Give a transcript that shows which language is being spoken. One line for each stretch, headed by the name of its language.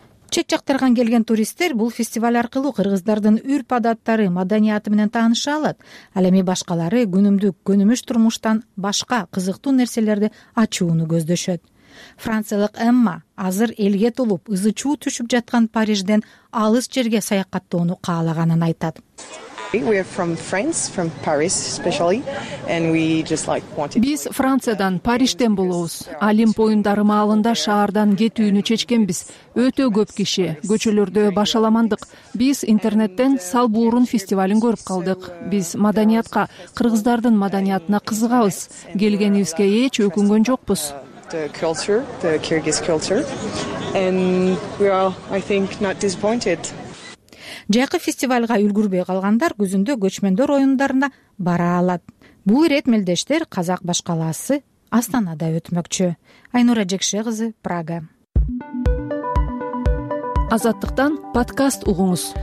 Kyrgyz: Чет жактардан келген туристтер бул фестиваль аркылуу кыргыздардын үрп адаттары, маданияты менен тааныша алат. Ал эми башкалары күнүмдүк көнүмүш турмуштан башка кызыктуу нерселерди ачууну көздөшөт. Франциялык Эмма азыр элге толуп, ызы чуу түшүп жаткан Парижден алыс жерге саякаттоону каалаганын айтат.
English: We are from France, from Paris especially, and we just like wanted to.
Kyrgyz: Биз Франциядан, Париждан болобуз. Олимп оюндары маалында шаардан кетүүнү чечкенбиз. Өтө көп киши, көчөлөрдө башаламандык. Биз интернеттен Салбуурун фестивалын көрүп калдык. Биз маданиятка, кыргыздардын маданиятына кызыгабыз. Келгенибизге эч өкүнгөн жокпуз.
English: The culture, the Kyrgyz culture, and we are, I think, not disappointed.
Kyrgyz: Жайкы фестивалга үлгүрбөй калгандар күзүндө көчмөндөр оюндарына бара алат. Бул ирет мелдештер казак башкаласы Астанада өтмөкчү. Айнура Жекше кызы, Прага. Азаттыктан подкаст угуңуз.